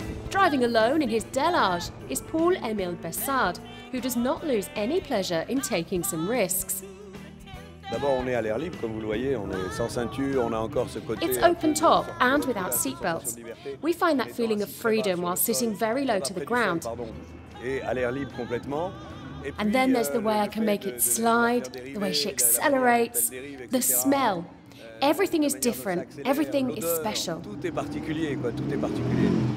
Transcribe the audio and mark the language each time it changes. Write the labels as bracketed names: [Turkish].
[English] Driving alone in his Delage is Paul-Émile Bessade, who does not lose any pleasure in taking some risks. [French] D'abord, on est à l'air libre, comme vous le voyez, on est sans ceinture, on a encore ce côté... [English] It's open top and without seatbelts. We find that feeling of freedom while sitting very low to the ground. [French] Et à l'air libre complètement. [English] And then there's the way I can make it slide, the way she accelerates, the smell. Everything is different, everything is special. [French] Tout est particulier, quoi, tout est particulier.